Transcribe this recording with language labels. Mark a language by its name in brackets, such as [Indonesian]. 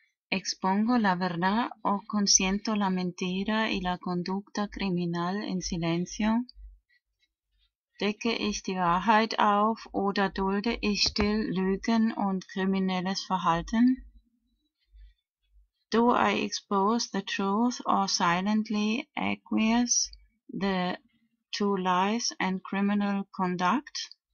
[Spanish] Expongo la verdad o consiento la mentira y la conducta criminal en silencio. [German] Decke ich die Wahrheit auf oder dulde ich still Lügen und kriminelles Verhalten? [English] Do I expose the truth or silently acquiesce the to lies and criminal conduct?